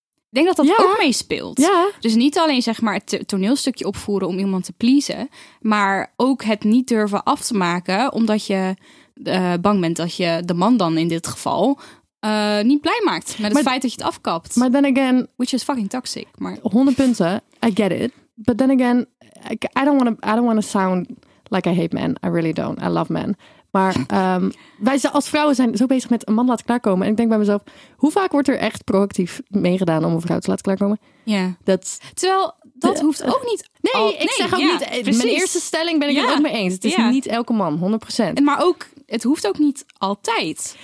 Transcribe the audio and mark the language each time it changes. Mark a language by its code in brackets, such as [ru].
[nl] Ik denk dat dat ook meespeelt. Ja. Dus niet alleen zeg maar het toneelstukje opvoeren om iemand te pleasen. Maar ook het niet durven af te maken. Omdat je bang bent dat je de man dan in dit geval niet blij maakt. Met het feit dat je het afkapt. [en] Maar then again... Which is fucking toxic. Maar [nl] 100 punten. [en] I get it. But then again, I don't want to sound like I hate men. I really don't. I love men. [nl] Maar wij als vrouwen zijn zo bezig met een man laten klaarkomen. En ik denk bij mezelf, hoe vaak wordt er echt proactief meegedaan om een vrouw te laten klaarkomen? Ja. Terwijl, dat hoeft ook niet. Nee, ik zeg ook niet. Precies. Mijn eerste stelling ben ik het ook mee eens. Het is niet elke man, 100%. Maar ook, het hoeft ook niet altijd.